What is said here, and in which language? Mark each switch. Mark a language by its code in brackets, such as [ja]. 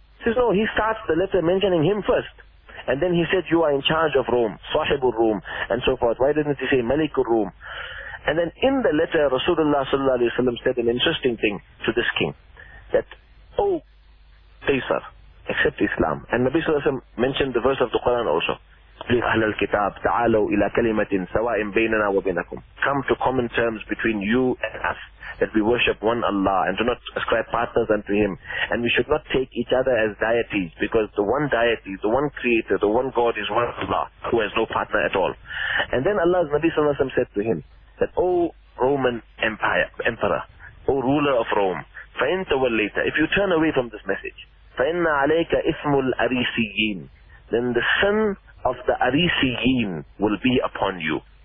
[en] He says, no, he starts the letter mentioning him first. And then he said, you are in charge of Rome, Sahib al-Rum, and so forth. Why didn't he say Malik al-Rum? And then in the letter, Rasulullah sallallahu alayhi wa sallam said an interesting thing to this king, that, oh, Qaisar, accept Islam. And Nabi sallallahu alayhi wa sallam mentioned the verse of the Quran also. [ar] أهل الكتاب تعالوا إلى كلمة سواء بيننا وبينكم. [en] Come to common terms between you and us, that we worship one Allah and do not ascribe partners unto Him, and we should not take each other as deities, because the one deity, the one creator, the one God is one Allah who has no partner at all. And then Allah's Nabi sallallahu alayhi wa sallam said to him that, O Roman Empire, Emperor, O ruler of Rome, [ar] فَإِنْ تَوَلَّيْتَ, [en] if you turn away from this message, [ar] فَإِنَّ عَلَيْكَ إِثْمُ الْأَرِيسِيِّينَ, [en] then the sin of the Arisiyin will be upon you.